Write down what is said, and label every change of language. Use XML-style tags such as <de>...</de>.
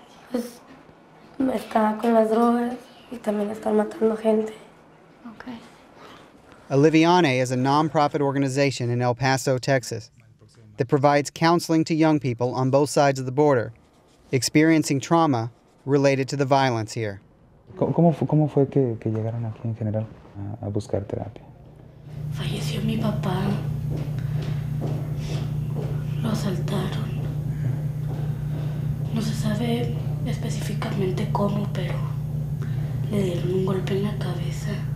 <es>Pues, estaba con las drogas y también estaba matando gente.</es> <en>Okay. Oliviane is a nonprofit organization in El Paso, Texas, that provides counseling to young people on both sides of the border, experiencing trauma related to the violence here.</en> <es>¿Cómo fue que llegaron aquí en general a buscar terapia? Falleció mi papá. Lo asaltaron. No se sabe específicamente cómo, pero le dieron un golpe en la cabeza.</es>